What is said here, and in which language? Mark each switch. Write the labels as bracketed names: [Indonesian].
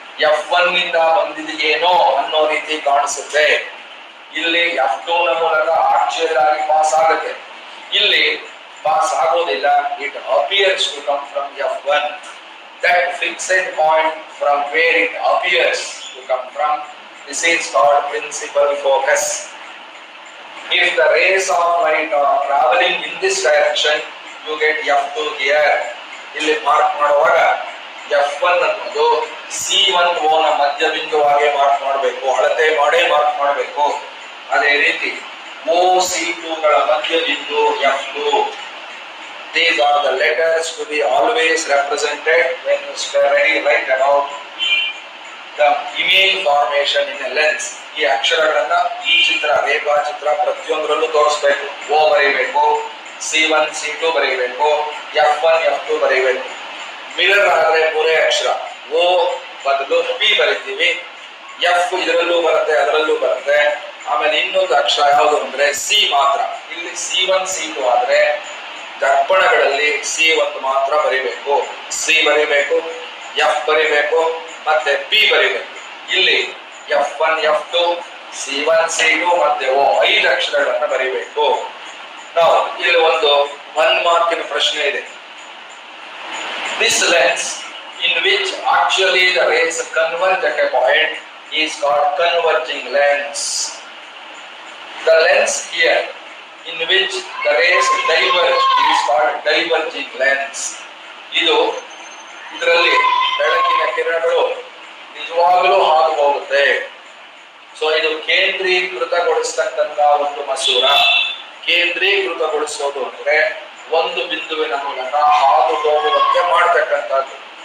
[Kannada] F1 ಇಂದ ಬಂದಿದೆ ಏನೋ ಅನ್ನೋ ರೀತಿ ಕಾಣಿಸುತ್ತೆ. ಇಲ್ಲಿ F2 ನ ಮೂಲಕ ಆಕ್ಚುಯಲ್ ಆಗಿ ಪಾಸ್ ಆಗುತ್ತೆ, ಇಲ್ಲಿ ಪಾಸ್ ಆಗೋದಿಲ್ಲ. [English] It appears to come from F1, that fixed point from where it appears to come from. This is called principal focus. If the rays of light are traveling in this direction, you get F2 gear. [Kannada] ಇಲ್ಲಿ mark ಮಾಡುವಾಗ F1 ಅನ್ನೋದು C1O ನ ಮಧ್ಯ ಬಿಂದುವಾಗಿ mark ಮಾಡಬೇಕು, ಅಳತೆ ಮಾಡೇ mark ಮಾಡಬೇಕು. ಅದೇ ರೀತಿ OC2 ಮಧ್ಯ ಬಿಂದು F2. [English] These are the letters to be always represented when you study right about the image formation in a lens. [Kannada] ಈ ಅಕ್ಷರಗಳನ್ನ ಈ ಚಿತ್ರ ರೇಖಾಚಿತ್ರ ಪ್ರತಿಯೊಂದರಲ್ಲೂ ತೋರಿಸ್ಬೇಕು. ಓ ಬರೀಬೇಕು, C1 C2 ಬರೀಬೇಕು, F1 F2 ಬರೀಬೇಕು. ಮಿರರ್ ಆದ್ರೆ ಪೂರೇ ಅಕ್ಷರ ಓ ಬದಲು ಪಿ ಬರೀತೀವಿ, ಎಫ್ ಇದರಲ್ಲೂ ಬರುತ್ತೆ ಅದರಲ್ಲೂ ಬರುತ್ತೆ. ಆಮೇಲೆ ಇನ್ನೊಂದು ಅಕ್ಷರ ಯಾವುದು ಅಂದ್ರೆ ಸಿ ಮಾತ್ರ. ಇಲ್ಲಿ C1 C2 ಆದ್ರೆ ದರ್ಪಣಗಳಲ್ಲಿ C1 ಮಾತ್ರ ಬರೀಬೇಕು. ಸಿ ಬರೀಬೇಕು, ಎಫ್ ಬರೀಬೇಕು, ಮತ್ತೆ ಪಿ ಬರೀಬೇಕು. ಇಲ್ಲಿ F1 F2 C1 C2 ಮತ್ತೆ ಓ ಐದು ಅಕ್ಷರಗಳನ್ನ ಬರೀಬೇಕು. ನಾವು ಇಲ್ಲಿ ಒಂದು 1 ಮಾರ್ಕಿನ ಪ್ರಶ್ನೆ ಇದೆ. [English] This lens in which actually the rays converge at a point is called converging lens. The lens here in which the rays diverge is called diverging lens. [Kannada] ಇದು ಇದರಲ್ಲಿ ಬೆಳಕಿನ ಕಿರಣಗಳು ನಿಜವಾಗಲೂ ಹಾದು ಹೋಗುತ್ತೆ. ಸೊ ಇದು ಕೇಂದ್ರೀಕೃತಗೊಳಿಸತಕ್ಕಂತ ಒಂದು ಮಸೂರ. ಕೇಂದ್ರೀಕೃತಗೊಳಿಸೋದು ಅಂದ್ರೆ ಒಂದು ಬಿಂದುವಿನ ಮೂಲಕ ಹಾದು ಹೋಗುವಂತೆ ಮಾಡ್ತಕ್ಕಂಥದ್ದು.